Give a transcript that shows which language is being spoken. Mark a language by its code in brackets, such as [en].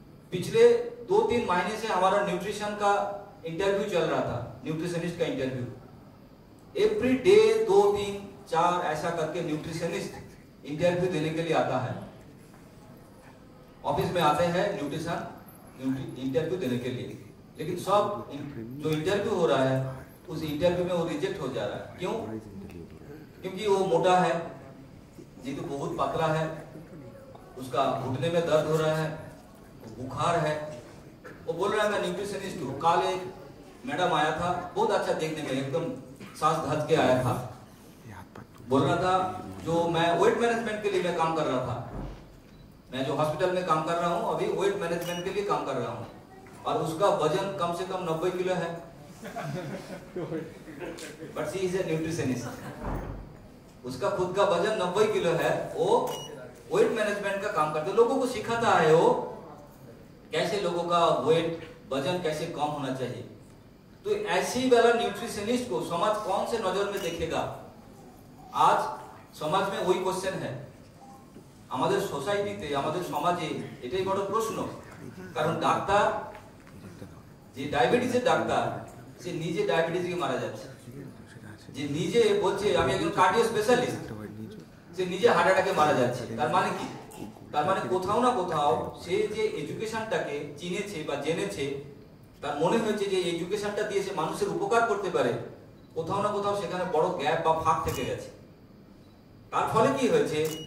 [hi] পিছলে দো তিন মাহিনে সে হামারা নিউট্রিশন কা ইন্টারভিউ চল রহা থা, নিউট্রিশনিস্ট কা ইন্টারভিউ। এভরি ডে দো তিন চার এসা করকে নিউট্রিশনিস্ট ইন্টারভিউ দেনে কে লিয়ে আতা হ্যায়, অফিস মে আতে হ্যায় নিউট্রিশন ইন্টারভিউ দেনে কে লিয়ে। लेकिन सब जो इंटरव्यू हो रहा है उस इंटरव्यू में वो रिजेक्ट हो जा रहा है। क्यों? क्योंकि वो मोटा है, जी तो बहुत पतला है, उसका घुटने में दर्द हो रहा है, बुखार है। वो बोल रहा है मैं न्यूट्रिशनिस्ट हूँ, काल एक मैडम आया था बहुत अच्छा देखने में, एकदम सांस धज के आया था, बोल रहा था जो मैं वेट मैनेजमेंट के लिए मैं काम कर रहा था, मैं जो हॉस्पिटल में काम कर रहा हूँ अभी वेट मैनेजमेंट के लिए काम कर रहा हूँ, और उसका वजन कम से कम 90 किलो है। [en] but she is a nutritionist, [hi] उसका खुद का वजन 90 किलो है, वो वेट मैनेजमेंट का काम करते, लोगों को सिखाता है वो कैसे लोगों का वेट, वजन कैसे कम होना चाहिए। तो ऐसी वाला न्यूट्रिशनिस्ट को समाज कौन से नजर में देखेगा? आज समाज में वही क्वेश्चन है, हमारे सोसाइटी ते, हमारे समाज इतने बड़े प्रश्न। [bn] कारण डॉक्टर যে ডায়াবেটিসের ডাক্তার, সে নিজে ডায়াবেটিসকে মারা যাচ্ছে, যে নিজে বলছে আমি একজন কার্ডিও স্পেশালিস্ট, সে নিজে হার্ট অ্যাটাকে মারা যাচ্ছে। তার মানে কি? তার মানে কোথাও না কোথাও সে যে এডুকেশনটাকে চিনেছে বা জেনেছে, তার মনে হয়েছে যে এডুকেশনটা দিয়ে সে মানুষের উপকার করতে পারে, কোথাও না কোথাও সেখানে বড় গ্যাপ বা ফাঁক থেকে গেছে। তার ফলে কি হয়েছে?